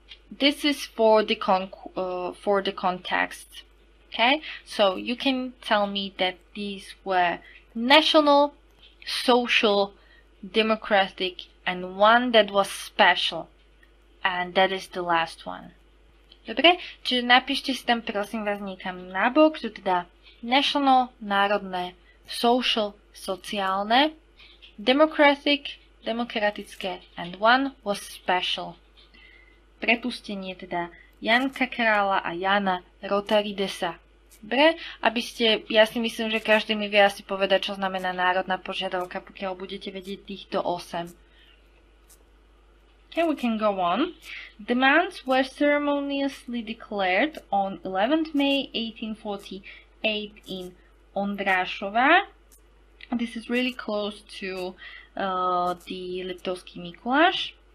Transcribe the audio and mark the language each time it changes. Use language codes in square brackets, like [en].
[en] This is for the context, okay? So you can tell me that these were national, social, democratic, and one that was special. And that is the last one. [sk] Dobre, čiže napíšte si tam prosím vás niekam na bok, že teda national, národné, social, sociálne, democratic, demokratické, [en] and one was special. [sk] Prepustenie teda Janka Krála a Jana Rotaridesa. Dobre, aby ste, ja si myslím, že každý mi vie asi povedať, čo znamená národná požiadavka, pokiaľ budete vedieť týchto 8. [en] Okay, we can go on. Demands were ceremoniously declared on 11th May 1848 in Ondrášová. This is really close to the Liptovský Mikuláš.